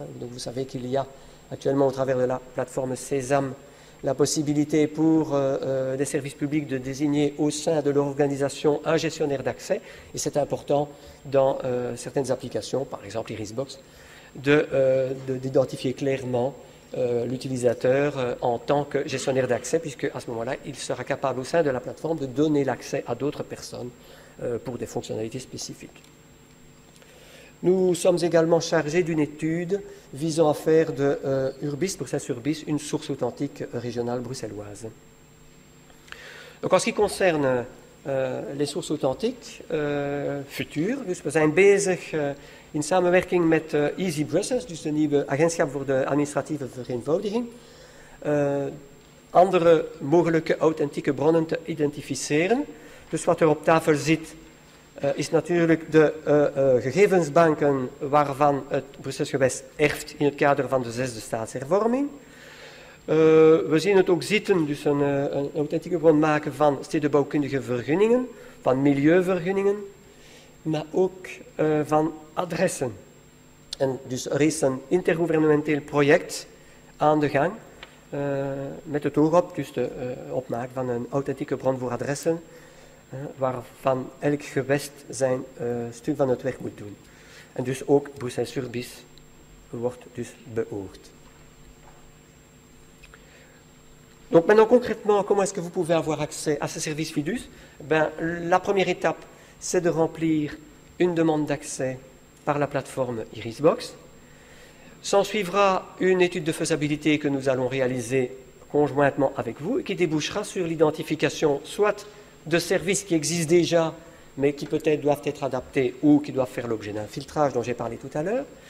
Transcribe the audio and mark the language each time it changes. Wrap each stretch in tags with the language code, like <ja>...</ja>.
<fr>Donc vous savez qu'il y a actuellement au travers de la plateforme Sésame la possibilité pour des services publics de désigner au sein de leur organisation un gestionnaire d'accès et c'est important dans certaines applications, par exemple Irisbox, d'identifier clairement l'utilisateur en tant que gestionnaire d'accès, puisque à ce moment-là, il sera capable au sein de la plateforme de donner l'accès à d'autres personnes pour des fonctionnalités spécifiques. Nous sommes également chargés d'une étude visant à faire de Urbis, Bruxelles Urbis, une source authentique régionale bruxelloise. Donc, en ce qui concerne les sources authentiques futures, nous sommes</fr> <nl>bezig in samenwerking met Easy Brussels, dus de nieuwe agentschap voor de administratieve vereenvoudiging, andere mogelijke authentieke bronnen te identificeren. Dus wat er op tafel zit, is natuurlijk de gegevensbanken waarvan het Brussels gewest erft in het kader van de zesde staatshervorming. We zien het ook zitten, dus een authentieke bron maken van stedenbouwkundige vergunningen, van milieuvergunningen, maar ook van adressen. En dus er is een intergouvernementeel project aan de gang met het oog op dus de opmaak van een authentieke bron voor adressen waarvan elk gewest zijn stuk van het werk moet doen. En dus ook Bruxelles-sur-Bis wordt dus beoogd.</nl> <fr>Donc maintenant concrètement, comment est-ce que vous pouvez avoir accès à ce service FIDUS? Ben, la première étape, c'est de remplir une demande d'accès par la plateforme IrisBox. S'en suivra une étude de faisabilité que nous allons réaliser conjointement avec vous et qui débouchera sur l'identification soit de services qui existent déjà mais qui peut-être doivent être adaptés ou qui doivent faire l'objet d'un filtrage dont j'ai parlé tout à l'heure.</fr>